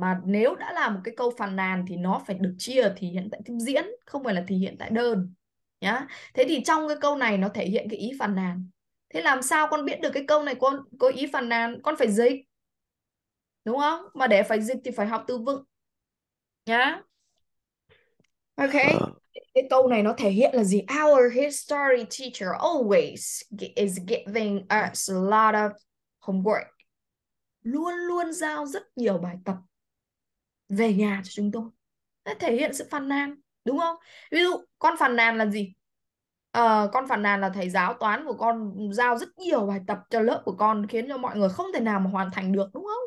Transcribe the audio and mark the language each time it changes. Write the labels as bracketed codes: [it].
[vi] Mà nếu đã là một cái câu phàn nàn thì nó phải được chia thì hiện tại tiếp diễn, không phải là thì hiện tại đơn. Nhá. Thế thì trong cái câu này nó thể hiện cái ý phàn nàn. Thế làm sao con biết được cái câu này có ý phàn nàn? Con phải dịch. Đúng không? Mà để phải dịch thì phải học từ vựng. Nhá. Ok. Cái câu này nó thể hiện là gì? [en] Our history teacher always is giving us a lot of homework. [vi] Luôn luôn giao rất nhiều bài tập về nhà cho chúng tôi. Nó thể hiện sự phàn nàn, đúng không? Ví dụ, con phàn nàn là gì? Con phàn nàn là thầy giáo toán của con giao rất nhiều bài tập cho lớp của con, khiến cho mọi người không thể nào mà hoàn thành được, đúng không?